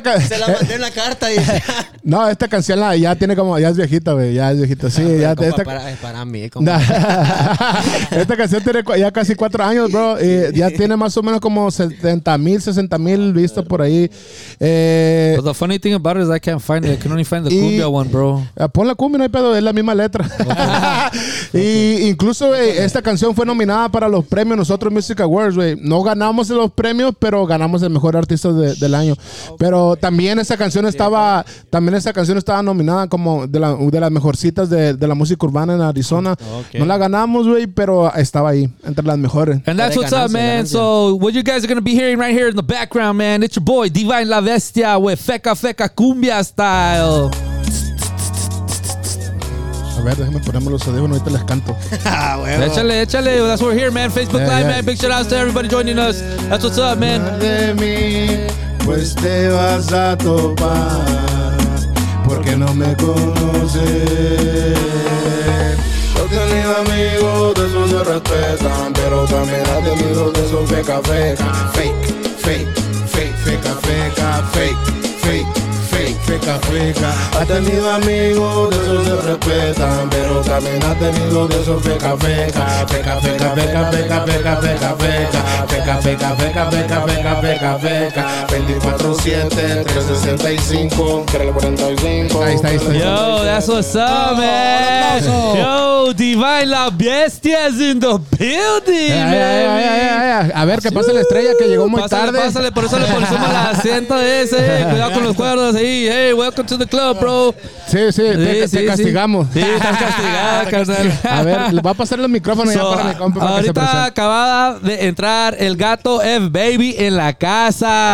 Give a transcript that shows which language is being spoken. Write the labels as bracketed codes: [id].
[es] canción. Se la mandé en la carta. Y... No, esta canción ya tiene como. Ya es viejita, güey. Ya es viejita. Sí, ya compa, esta... para mí. Compa. Esta canción tiene ya casi 4 años, bro. Y ya tiene más o menos como 70,000, 60,000 vistas por ahí. [en] But the funny thing about it is I can't find it. I can only find the cumbia one, bro. [es] Pon la cumbia, no hay pedo. Es la misma letra. Okay. Y okay. Incluso, wey, esta canción fue nominada para los premios nosotros, Music Awards, güey. No ganamos los premios, pero ganamos el mejor artista del año. Pero también esa canción estaba, también esa canción estaba nominada como de las mejorcitas de la música urbana en Arizona. Okay. No la ganamos, güey, pero estaba ahí entre las mejores. [en] And that's what's up, man. So what you guys are gonna be hearing right here in the background, man, it's your boy Devine la Bestia with Feca Feca Cumbia Style. [es] A ver, déjame ponerme los audífonos, ahorita les canto. Ah, bueno. Échale, échale. [en] That's what we're here, man. Facebook Live, man. Big shout out to everybody joining us. That's what's up, man. [es] De mí, pues te vas a topar, porque no me conoces. Yo tenía amigos, de esos se respetan, pero también has tenido de esos feca, feca. Fake, fake, fake, feca, feca, fake, fake. Feca, feca. Ha tenido amigos, de esos se respetan, pero también ha tenido de esos feca, feca. Feca, feca, feca, feca, feca, feca, feca. Feca, feca, feca, feca, feca, feca, feca. 24-7, 365, 345. Ahí está, ahí está. [en] Yo, that's what's up, man. Yo, Devine la Bestia is in the building, man. [es] A ver, que pase la estrella, que llegó muy tarde. Pásale, pásale, por eso le ponemos la asiento ese. Cuidado con los cuerdos ahí. [en] Hey, welcome to the club, bro. [es] Sí, sí, te sí, castigamos. Sí, estás castigado, carnal. A ver, le voy a pasar el micrófono ya para mi compa. Ahorita acababa de entrar el Gato Fbaby en la casa.